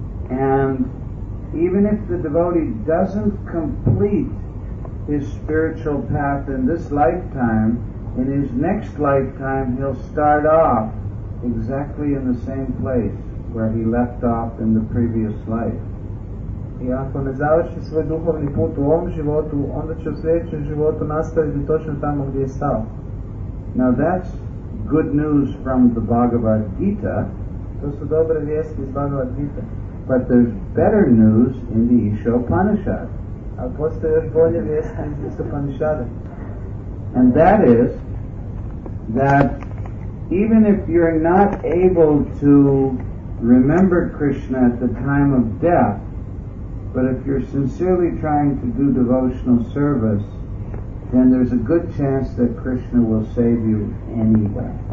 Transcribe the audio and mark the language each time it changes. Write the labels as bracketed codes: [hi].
[en] And even if the devotee doesn't complete his spiritual path in this lifetime, in his next lifetime he'll start off exactly in the same place where he left off in the previous life. [hr] I ako ne završi svoj duhovni put u ovom životu, onda će u sljedećem životu nastaviti točno tamo gdje je stao. [en] Now that's good news from the Bhagavad Gita. [hr] To su dobre vijesti iz Bhagavad Gita. [en] But there's better news in the Isha Upanishad. [hr] A postoje još bolje vijesti iz Isha Upanishada. [en] And that is that even if you're not able to remember Krishna at the time of death, but if you're sincerely trying to do devotional service, then there's a good chance that Krishna will save you anyway.